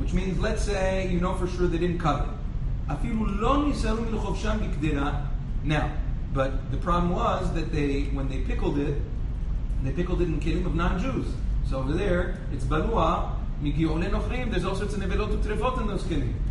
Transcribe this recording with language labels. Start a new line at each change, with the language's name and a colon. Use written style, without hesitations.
English: Which means, let's say, you know for sure they didn't cut it.
Hebrew: אפילו לא נזהרו מלחובשם בקדירה.
English: Now, but the problem was that they, when they pickled it in kelim of non-Jews. So over there, it's balua,
Hebrew: מגיעולי נוכרים,
English: there's all sorts of
Hebrew: נבלות וטריפות
English: in those kelim.